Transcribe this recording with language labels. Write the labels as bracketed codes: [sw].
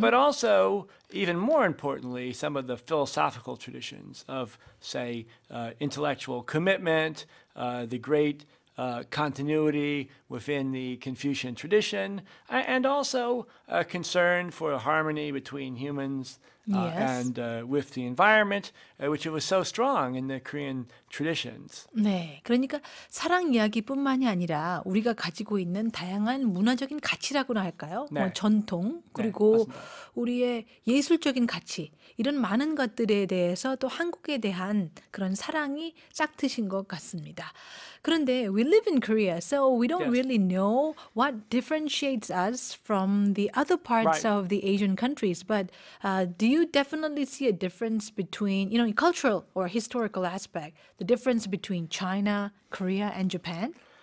[en] but also, even more importantly, some of the philosophical traditions of, say, intellectual commitment, the great continuity within the Confucian tradition, and also a concern for a harmony between humans and with the environment, which it was so strong in the Korean traditions. [ko] 네, 그러니까 사랑 이야기뿐만이 아니라 우리가 가지고 있는 다양한 문화적인 가치라고나 할까요? 네. 뭐 전통 그리고 네, 우리의 예술적인 가치 이런 많은 것들에 대해서 또 한국에 대한 그런 사랑이 짝트신 것 같습니다. 그런데 [en] we live in Korea, so we don't really know what differentiates us from the other parts of the Asian countries. But do you definitely see a difference between, you know, in cultural or historical aspect, the difference between China, Korea, and Japan?